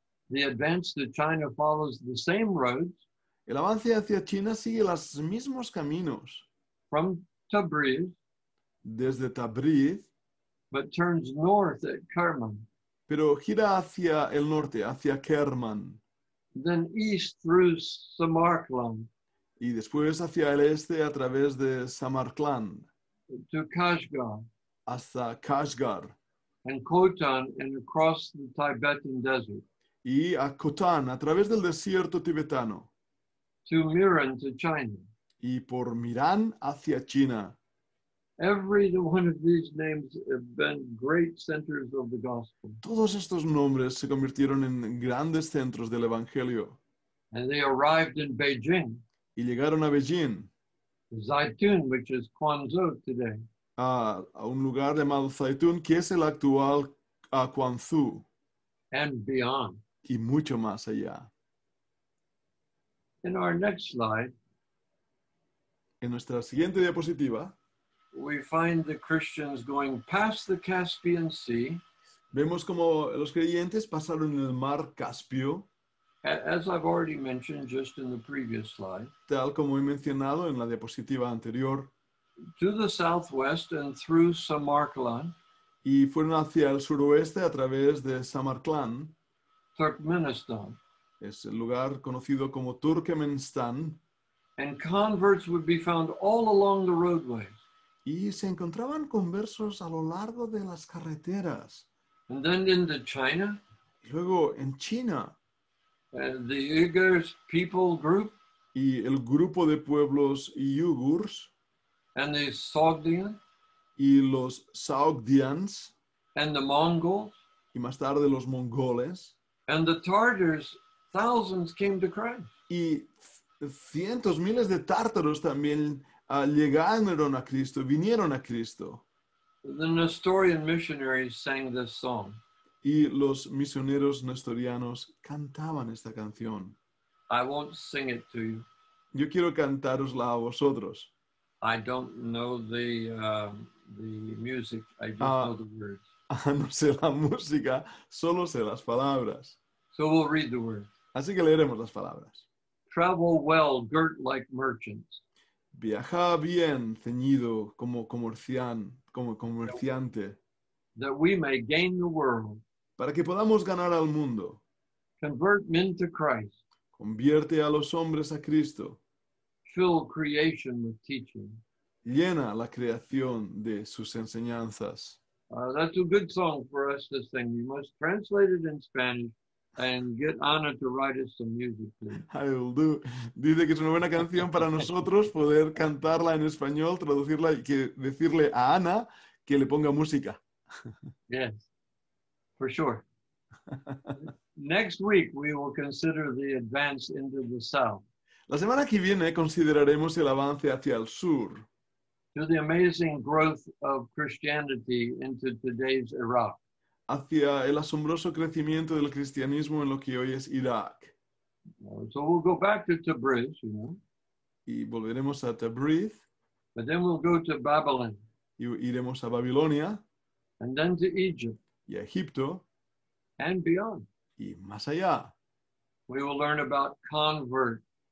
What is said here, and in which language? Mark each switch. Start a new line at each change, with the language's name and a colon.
English: The advance to China follows the same roads.
Spanish: El avance hacia China sigue los mismos caminos.
English: From Tabriz.
Spanish: Desde Tabriz.
English: But turns north at Kerman.
Spanish: Pero gira hacia el norte, hacia Kerman.
English: Then east through Samarkand.
Spanish: Y después hacia el este a través de Samarkand.
English: To Kashgar.
Spanish: Hasta Kashgar.
English: And Khotan, and across the Tibetan desert.
Spanish: Y a Khotan, a través del desierto tibetano.
English: To Miran, to China.
Spanish: Y por Miran hacia China.
English: Every one of these names have been great centers of the gospel.
Spanish: Todos estos nombres se convirtieron en grandes centros del evangelio.
English: And they arrived in Beijing.
Spanish: Y llegaron a Beijing.
English: Zaitun, which is Quanzhou today.
Spanish: A un lugar llamado Zaitun, que es el actual Quanzhou.
English: And beyond.
Spanish: Y mucho más allá.
English: In our next slide.
Spanish: En nuestra siguiente diapositiva.
English: We find the Christians going past the Caspian Sea.
Spanish: Vemos como los creyentes pasaron en el mar Caspio.
English: As I've already mentioned just in the previous slide.
Spanish: Tal como he mencionado en la diapositiva anterior.
English: To the southwest and through Samarkand.
Spanish: Y fueron hacia el suroeste a través de Samarkand.
English: Turkmenistan.
Spanish: Es el lugar conocido como Turkmenistán.
English: And converts would be found all along the roadways.
Spanish: Y se encontraban conversos a lo largo de las carreteras.
English: And then into China.
Spanish: Y luego en China.
English: And the Uyghurs people group.
Spanish: Y el grupo de pueblos Uyghurs.
English: And the Sogdian.
Spanish: Y los Sogdians.
English: And the Mongols.
Spanish: Y más tarde los Mongoles.
English: And the Tartars, thousands came to Christ.
Spanish: Y cientos, miles de tártaros también llegaron a Cristo, vinieron a Cristo.
English: The Nestorian missionaries sang this song.
Spanish: Y los misioneros nestorianos cantaban esta canción.
English: I won't sing it to you.
Spanish: Yo quiero cantarosla a vosotros.
English: I don't know the music, I just know the words.
Spanish: No sé la música, solo sé las palabras.
English: So we'll read the words.
Spanish: Así que leeremos las palabras.
English: Travel well, girt like merchants.
Spanish: Viaja bien, ceñido como comerciante.
English: That we may gain the world.
Spanish: Para que podamos ganar al mundo.
English: Convert men to Christ.
Spanish: Convierte a los hombres a Cristo.
English: Fill creation with teaching.
Spanish: Llena la creación de sus enseñanzas.
English: That's a good song for us to sing. You must translate it in Spanish and get Ana to write us some music. Please. I will do.
Spanish: Dice que es una buena canción para nosotros poder cantarla en español, traducirla y que decirle a Ana que le ponga música.
English: Yes, for sure. Next week we will consider the advance into the south.
Spanish: La semana que viene consideraremos el avance hacia el sur.
English: To the amazing growth of Christianity into today's Iraq.
Spanish: Hacia el asombroso crecimiento del cristianismo en lo que hoy es Irak.
English: So we'll go back to Tabriz, you know.
Spanish: Y volveremos a Tabriz.
English: But then we'll go to Babylon.
Spanish: Y iremos a Babilonia.
English: And then to Egypt.
Spanish: Y a Egipto.
English: And beyond.
Spanish: Y más allá.
English: We will learn about convert.